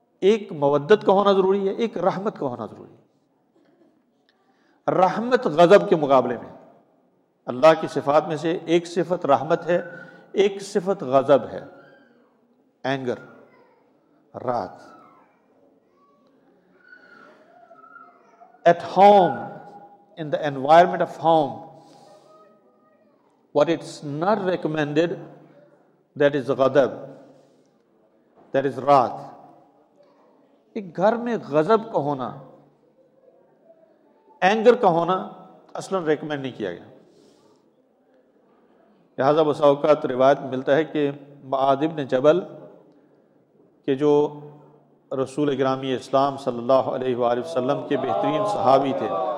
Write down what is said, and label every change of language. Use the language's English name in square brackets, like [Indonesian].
[Urdu] ایک مودت کا ہونا ضروری ہے, ایک رحمت کا ہونا ضروری ہے. رحمت غضب کے مقابلے میں, اللہ کی صفات میں سے ایک صفت رحمت ہے, ایک صفت غضب ہے, [English] anger, [Urdu] رات. [English] At home, in the environment of home, what it's not recommended, that is غضب, that is رات. [Urdu] ایک گھر میں غضب کا ہونا, anger کا ہونا اصلا recommend نہیں کیا گیا. لہذا بسا اوقات روایت ملتا ہے کہ معاذ بن جبل کہ جو رسول گرامی اسلام صلی اللہ علیہ وآلہ وسلم کے بہترین صحابی تھے,